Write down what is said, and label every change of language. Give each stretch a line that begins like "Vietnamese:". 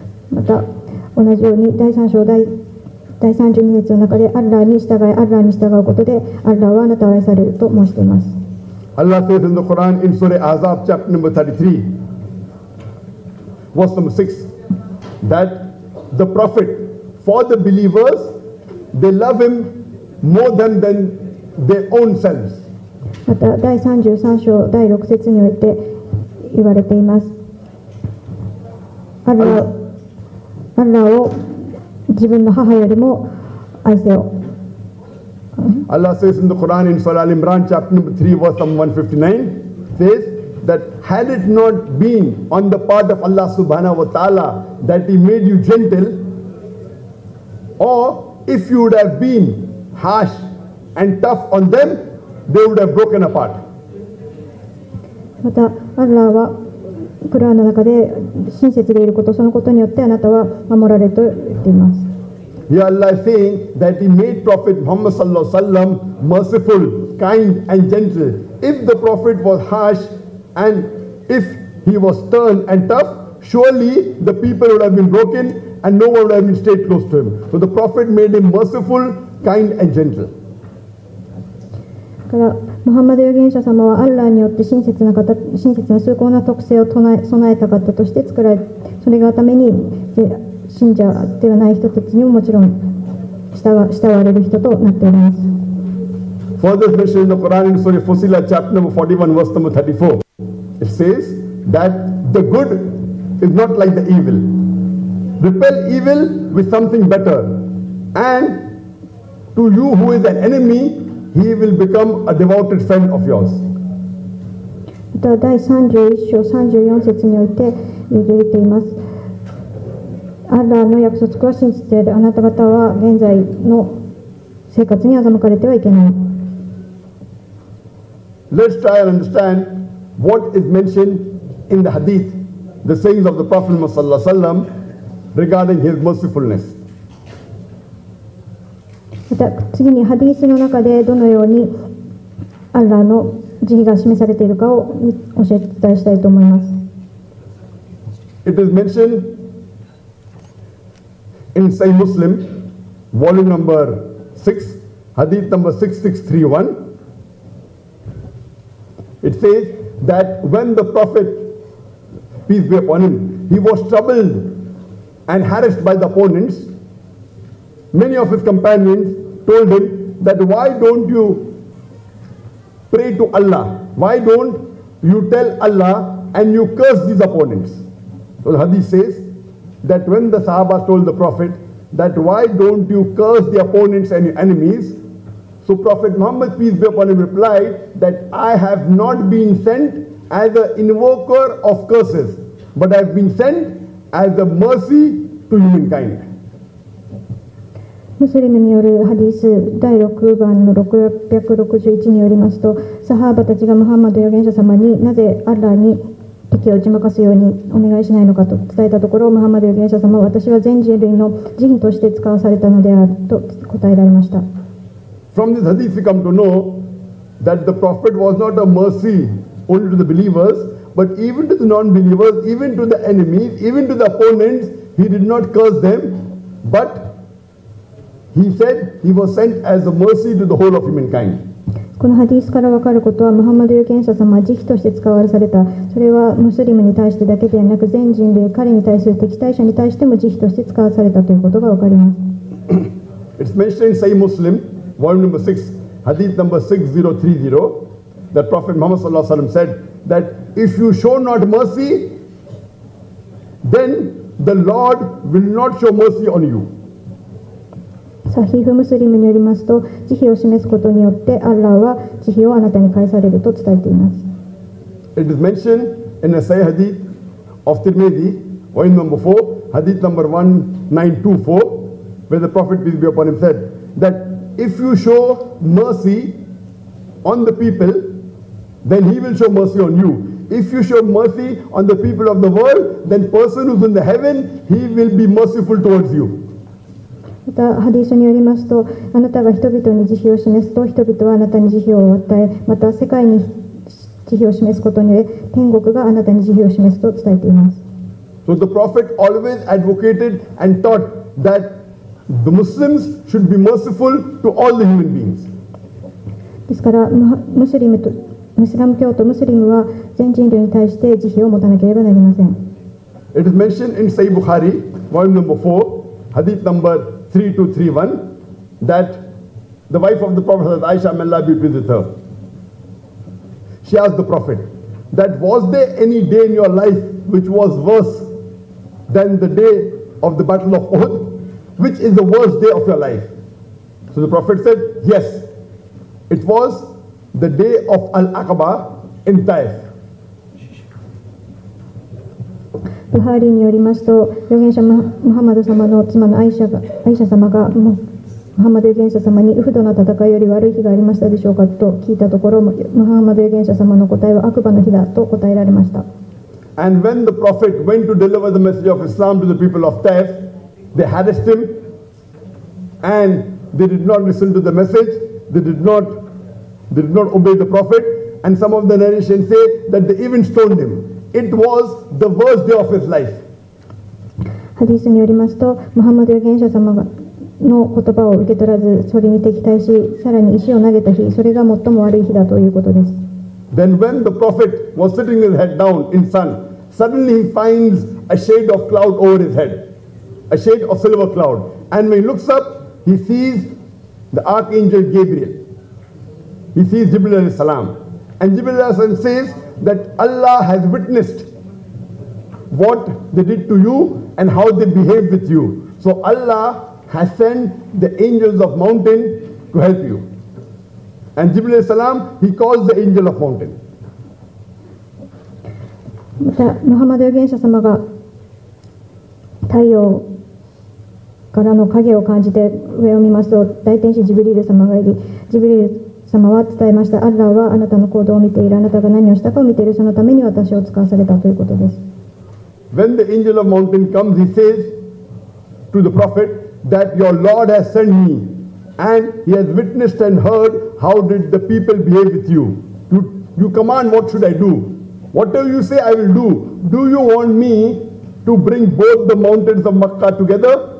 Japanese: また同じように第3章第32節の中でアッラーに従い、アッラーに従うことでアッラーはあなたを愛されると申しています。
English: Allah says in the Quran in Surah Azab chapter number 33 verse number 6 that The Prophet, for the believers, they love him more than their own selves.
Japanese: また第33章第6節において言われています。アラーを自分の母よりも愛せよ。
English: Allah says in the Quran in Surah Al-Imran chapter number 3 verse 159 says that had it not been on the part of Allah
Arabic: subhanahu wa ta'ala
English: that he made you gentle, or if you would have been harsh and tough on them, they would have broken apart.
Japanese: また、アッラーはクルアンの中で親切でいること、そのことによってあなたは守られると言っています。
English: Here Allah is saying that he made Prophet Muhammad
Arabic: sallallahu alaihi wasallam
English: merciful, kind and gentle. If the Prophet was harsh and if he was stern and tough, surely the people would have been broken and no one would have been stayed close to him. So the Prophet made him merciful, kind and gentle.
Japanese: からムハンマド預言者様はアッラーによって親切な方、親切な崇高な特性を備えた方として作られ、それがために信者ではない人たちにももちろん慕われる人となっております。
English: Further mentioned in the Quran in Surah Fusila chapter number 41 verse number 34 It says that the good is not like the evil. Repel evil with something better. And to you who is an enemy, he will become a devoted friend of yours.
Japanese: また第31章34節において言われています。アッラーの約束は信じている。あなた方は現在の生活に欺かれてはいけない。
English: Let's try and understand what is mentioned in the hadith. The sayings of the Prophet Muhammad
Arabic: sallallahu alaihi wasallam
English: regarding his mercifulness.
Japanese: また次にハディスの中でどのようにアッラーの慈悲が示されているかを教えて伝えしたいと思います。
English: It is mentioned in Sahih Muslim, volume number 6, hadith number 6631. It says that when the Prophet peace be upon him, he was troubled and harassed by the opponents. Many of his companions told him that why don't you pray to Allah? Why don't you tell Allah and you curse these opponents? So the hadith says that when the Sahaba told the Prophet that why don't you curse the opponents and your enemies? So Prophet Muhammad peace be upon him replied that I have not been sent as an invoker of curses, but I have been sent as a mercy to humankind.
Japanese: ムスリムによるハディス第6番の661によりますと、サハーバたちがムハンマド預言者様に、なぜアッラーに敵を打ち負かすようにお願いしないのかと伝えたところ、ムハンマド預言者様は、私は全人類の人として使わされたのであると答えられました。
English: From this hadith we come to know that the prophet was not a mercy only to the believers, but even to the non-believers, even to the enemies, even to the opponents, he did not curse them, but he said he was sent as a mercy to the whole of humankind.
Japanese: このハディスから分かることは、ムハンマド預言者様は慈悲として使われされた。それはムスリムに対してだけではなく、全人類、彼に対する敵対者に対しても慈悲として使われされたということが分かります。
English: It's mentioned in Sahih Muslim, volume number 6, hadith number 6030, that Prophet Muhammad
Arabic: sallallahu alaihi wasallam
English: said that if you show not mercy, then the Lord will not show mercy on you.
Japanese: サヒフムスリムによりますと、慈悲を示すことによってアッラーは慈悲をあなたに返されると伝えています。
English: It is mentioned in a Sahih hadith of Tirmidhi, volume number 4, hadith number 1924, where the Prophet peace be upon him said that if you show mercy on the people, then he will show mercy on you. If you show mercy on the people of the world, then person who's in the heaven, he will be merciful towards you.
Japanese: またハディスによりますと、あなたが人々に慈悲を示すと、人々はあなたに慈悲を与え、また世界に慈悲を示すことにより、天国があなたに慈悲を示すと伝えています。
English: So the Prophet always advocated and taught that the Muslims should be merciful to all the human beings.
Japanese: ですから、ムスラム教徒ムスリムは全人類に対して慈悲を持たなければなりません。
English: It is mentioned in Sahih Bukhari, volume number 4, hadith number 3231, that the wife of the Prophet, Aisha, may Allah be pleased with her. She asked the Prophet, that was there any day in your life which was worse than the day of the Battle of Uhud? Which is the worst day of your life? So the Prophet said, yes, it was the day of Al-Aqaba in Taif.
Japanese: ブハーリーによりますと、預言者ムハンマド様の妻のアイシャ様がムハンマド預言者様にウフドの戦いより悪い日がありましたでしょうかと聞いたところ、ムハンマド預言者様の答えはアクバの日だと答えられました。
English: And when the Prophet went to deliver the message of Islam to the people of Taif, they harassed him and they did not listen to the message, they did not obey the Prophet, and some of the narrations say that they even stoned himIt was the worst day of his life.
Japanese: ハディスによりますと、ムハンマド預言者様の言葉を受け取らず、それに敵対し、さらに石を投げた日、それが最も悪い日だということです。
English: Then when the prophet was sitting his head down in sun, suddenly he finds a shade of cloud over his head, a shade of silver cloud. And when he looks up, he sees the archangel Gabriel. He sees Jibril
Arabic: alayhi salam.
English: And Jibril alayhi salam says,that Allah has witnessed what they did to you and how they behaved with you. So Allah has sent the angels of mountain to help you. And Jibril
Arabic: alayhi salam,
English: he calls the angel of mountain.
Japanese: また、ムハンマド預言者様が太陽からの影を感じて上を見ますと、大天使ジブリル様がいる。ジブリル様は伝えました、アッラーはあなたの行動を見ている、あなたが何をしたかを見ている、そのために私を使わされたということです。
English: When the angel of mountain comes, he says to the prophet that your Lord has sent me and he has witnessed and heard how did the people behave with you. You command, what should I do? Whatever you say, I will do. Do you want me to bring both the mountains of Makkah together?